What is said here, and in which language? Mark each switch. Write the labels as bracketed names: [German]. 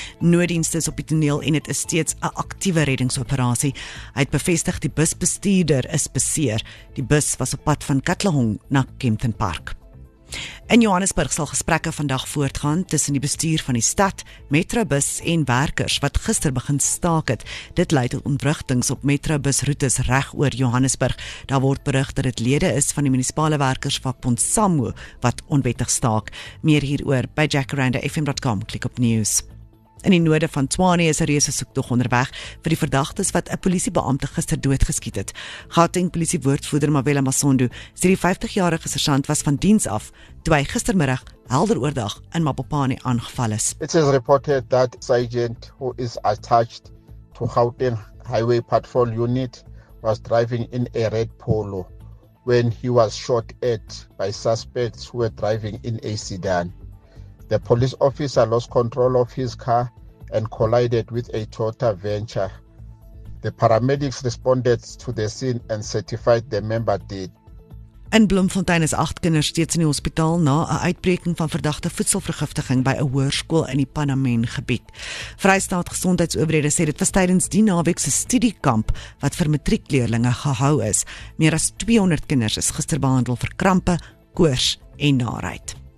[Afrikaans] Nooddienste is op die toneel en het is steeds 'n aktiewe reddingsoperasie. Hy het bevestig die busbestuurder is beseer. Die bus was op pad van Katlehong na Kempton Park. In Johannesburg sal gesprekke vandag voortgaan tussen die bestuur van die stad, Metrobus en werkers wat gister begin staak het. Dit lei tot ontwrigtings op Metrobus routes reg oor Johannesburg. Daar word berig dat dit lede is van die munisipale werkersvakbond SAMU wat onwettig staak. Meer hieroor by jackaranda.fm.com. Klik op news. In die noorde van Tshwane is 'n reuse soektog onderweg vir die verdagtes wat 'n polisiebeampte gister doodgeskiet het. Gauteng polisie woordvoerder Mawela Masondo sê die 50-jarige sergeant was van diens af toe hy gistermiddag helder oordag in Mapopane aangeval is. [English] It is reported that sergeant who is attached to Gauteng Highway Patrol Unit was driving in a red polo when he was shot at by suspects who were driving in a sedan. The police officer lost control of his car and collided with a Toyota Venture. The paramedics responded to the scene and certified the member dead. [Afrikaans] In Bloemfontein is 8 kinders steeds in die hospitaal na 'n uitbreking van verdagte voedselvergiftiging by 'n hoërskool in die Panamen gebied. Vrystaat Gesondheidsowerhede sê dit was tydens die naweekse studiekamp wat vir matriekleerlinge gehou is. Meer as 200 kinders is gister behandel vir krampe, koors en naarheid.